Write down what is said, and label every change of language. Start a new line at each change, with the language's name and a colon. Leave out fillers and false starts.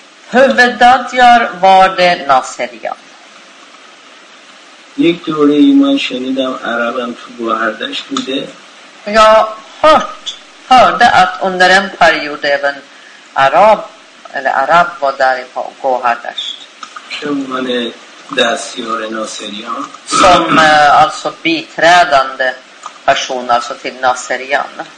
Swedish: Huvuddadjar var det Naserian.
Persian: یک دوره ای من شنیدم عربم تو گوهردشت بوده.
Swedish: یا هرت. Hörde att under en period även arab var där i Gohardasht. Som alltså biträdande person alltså till Naserian.